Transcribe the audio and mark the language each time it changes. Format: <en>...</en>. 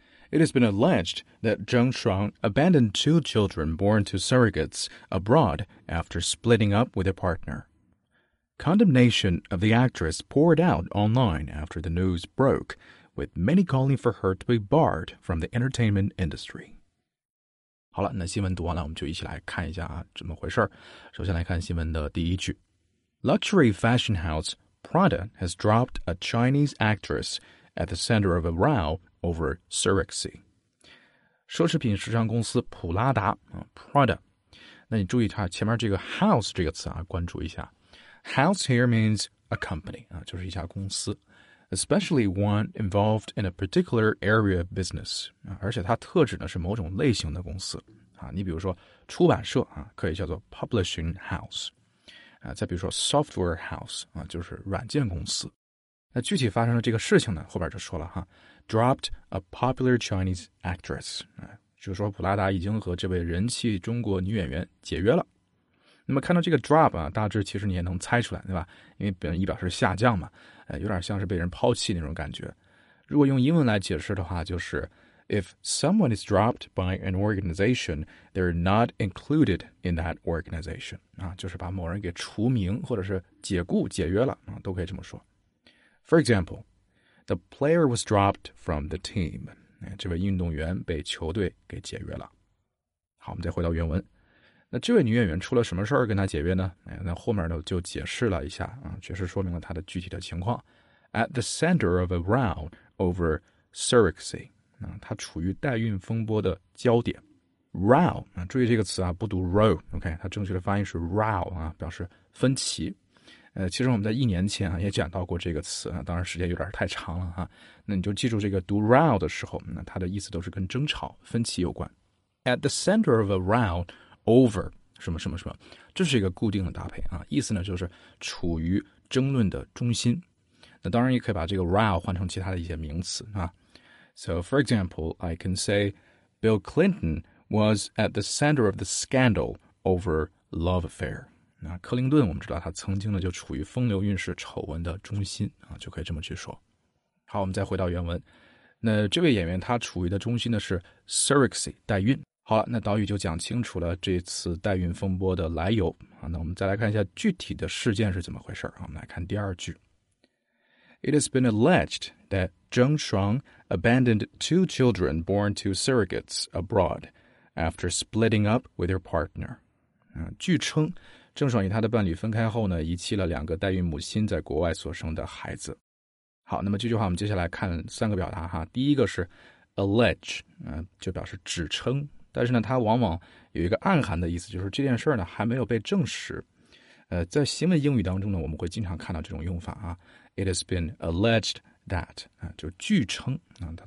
<en>It has been alleged that Zheng Shuang abandoned two children born to surrogates abroad after splitting up with a partner. Condemnation of the actress poured out online after the news broke, with many calling for her to be barred from the entertainment industry.</en> <zh>好了，那新闻读完了，我们就一起来看一下啊，怎么回事。首先来看新闻的第一句。</zh> <en>Luxury fashion house Prada has dropped a Chinese actress at the center of a row,over surrogacy.</en> <zh>奢侈品时尚公司普拉达 Prada. 那你注意它前面这个 house 这个词啊，关注一下。</zh> <en>House here means a company,</en> <zh>就是一家公司。</zh> <en>Especially one involved in a particular area of business.</en> <zh>而且它特指的是某种类型的公司。你比如说出版社可以叫做 publishing house. 再比如说 software house, 就是软件公司。那具体发生的这个事情呢，后边就说了哈。</zh> <en>Dropped a popular Chinese actress.</en> <zh>就是说普拉达已经和这位人气中国女演员解约了。那么看到这个 drop 啊，大致其实你也能猜出来，对吧？因为本意表示下降嘛，有点像是被人抛弃那种感觉。如果用英文来解释的话，就是</zh> <en>If someone is dropped by an organization, they're not included in that organization.</en> <zh>就是把某人给除名或者是解雇解约了，都可以这么说。</zh> <en>For example,The player was dropped from the team.</en> <zh>这位运动员被球队给解约了。好，我们再回到原文。那这位女演员出了什么事儿跟她解约呢？那后面呢就解释了一下，确实说明了她的具体的情况。</zh> <en>At the center of a row over surrogacy.</en> <zh>她处于代孕风波的焦点。Row, 注意这个词啊，不读 row, OK? 它正确的发音是 row, 表示分歧。其实我们在一年前也讲到过这个词，当然时间有点太长了。那你就记住这个读 row 的时候，那它的意思都是跟争吵、分歧有关。</zh> <en>At the center of a row over</en> <zh>什么什么什么，这是一个固定的搭配，意思呢就是处于争论的中心。那当然也可以把这个 row 换成其他的一些名词。</zh> <en>So for example, I can say Bill Clinton was at the center of the scandal over love affair.</en> <zh>那克林顿我们知道他曾经呢就处于风流韵事丑闻的中心，就可以这么去说。好，我们再回到原文。那这位演员他处于的中心呢是 surrogacy, 代孕。好了，那导语就讲清楚了这次代孕风波的来由。那我们再来看一下具体的事件是怎么回事。我们来看第二句。</zh> <en>it has been alleged that Zheng Shuang abandoned two children born to surrogates abroad after splitting up with her partner.</en> <zh>据称，郑爽与她的伴侣分开后呢，遗弃了两个代孕母亲在国外所生的孩子。好，那么这句话我们接下来看三个表达哈。第一个是 allege， 就表示指称，但是呢，它往往有一个暗含的意思，就是这件事呢还没有被证实。在新闻英语当中呢，我们会经常看到这种用法啊。</zh> <en>It has been alleged that，</en> <zh>就据称啊。</zh>